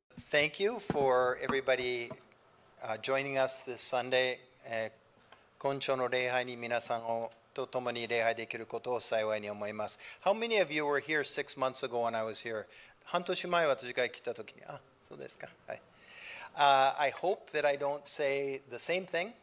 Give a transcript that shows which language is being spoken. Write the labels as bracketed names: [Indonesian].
[English] Thank you for everybody joining us this Sunday. [Japanese] 今朝の礼拝に皆さんと共に礼拝できることを幸いに思います。 [English] How many of you were here 6 months ago when I was here? [Japanese] 半年前私が来た時に、あ、そうですか。はい。 [English] I hope that I don't say the same thing.